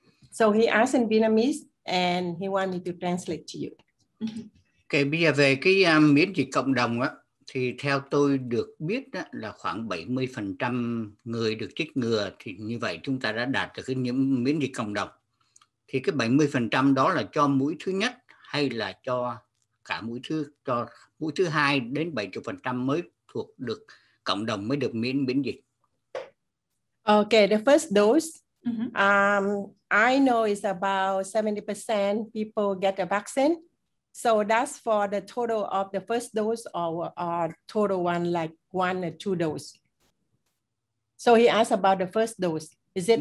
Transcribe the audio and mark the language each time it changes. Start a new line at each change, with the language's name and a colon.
English: So he asked in Vietnamese and he wanted me to translate to you.
Vietnamese: Okay, bây giờ về cái miễn dịch cộng đồng á, thì theo tôi được biết á, là khoảng 70% người được chích ngừa thì như vậy chúng ta đã đạt được cái miễn dịch cộng đồng. Thì cái 70% đó là cho mũi thứ nhất hay là cho cả mũi thứ hai đến 70% mới thuộc được cộng đồng mới được miễn dịch.
English: Okay, the first dose. I know it's about 70% people get the vaccine. So that's for the total of the first dose or total one, like one or two dose. So he asked about the first dose. Is it?